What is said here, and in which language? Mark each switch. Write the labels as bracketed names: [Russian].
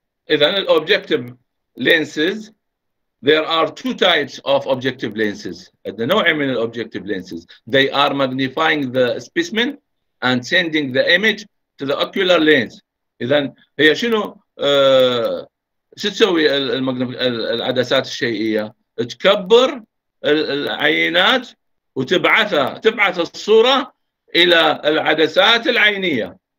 [Arabic] اذا الاوبجكتيف لينسز [English] there are two types of objective lenses. [Arabic] عندنا نوعين من الاوبجكتيف لينسز. [English] They are magnifying the specimen and sending the image to the ocular lens. [Arabic] اذا هي شنو شو تسوي العدسات الشيئيه؟ تكبر العينات وتبعثها تبعث الصوره الى العدسات العينيه.